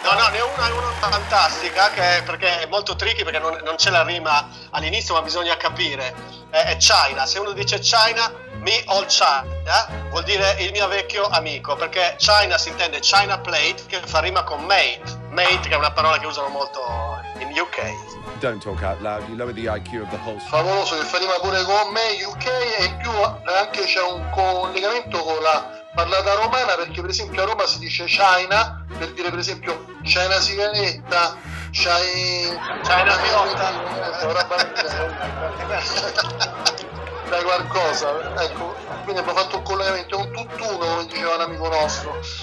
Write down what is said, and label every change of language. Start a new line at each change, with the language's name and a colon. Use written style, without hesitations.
Italian: No, ne è una fantastica, che è, perché è molto tricky, perché non c'è la rima all'inizio, ma bisogna capire. È China. Se uno dice China,
English: me all China,
Italian: vuol dire il mio vecchio amico, perché China si intende China plate, che fa rima con mate. Mate, che è una parola che usano molto in UK.
English: Don't talk out loud, you lower the IQ of the whole.
Italian: Favoloso, che fa rima pure con me, UK, e in più anche c'è un collegamento con la parlata romana, perché per esempio a Roma si dice China per dire, per esempio, c'hai una sigaretta, c'hai una piotta, c'hai qualcosa, ecco, quindi abbiamo fatto un collegamento, un tutt'uno, come diceva un amico nostro.